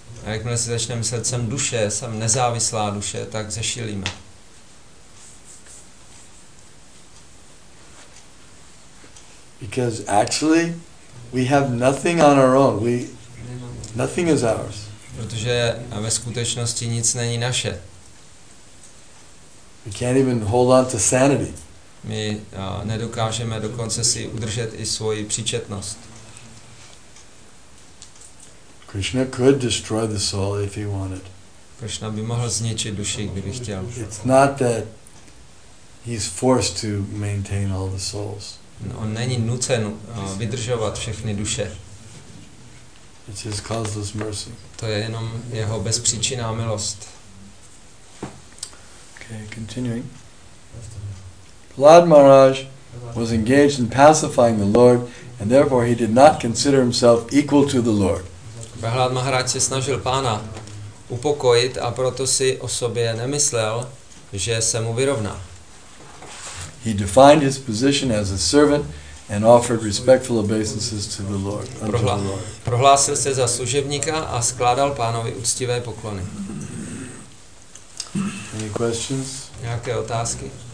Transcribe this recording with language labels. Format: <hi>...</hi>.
<cs>A jakmile si začneme myslet, jsem duše, jsem nezávislá duše, tak zešilíme.</cs> <en>Because actually, we have nothing on our own. Nothing is ours.</en> <cs>Protože ve skutečnosti nic není naše.</cs> <en>We can't even hold on to sanity.</en> <cs>My nedokážeme dokonce si udržet i svoji příčetnost.</cs> <en>Krishna could destroy the soul if he wanted.</en> <cs>Krishna by mohl zničit duši, kdyby chtěl.</cs> <en>It's not that he's forced to maintain all the souls.</en> <cs>On není nucen vydržovat všechny duše.</cs> <en>It's his causeless mercy.</en> <cs>To je jenom jeho bezpříčinná milost.</cs> <en>Okay, continuing. Prahlad Maharaj was engaged in pacifying the Lord, and therefore he did not consider himself equal to the Lord.</en> <cs>Prahlad Maharaj se snažil pána upokojit a proto si o sobě nemyslel, že se mu vyrovná.</cs> <en>He defined his position as a servant and offered respectful obeisances to the Lord.</en> <cs>Prohlásil se za služebníka a skládal pánovi úctivé poklony.</cs> <en>Any questions?</en> <cs>Nějaké otázky?</cs>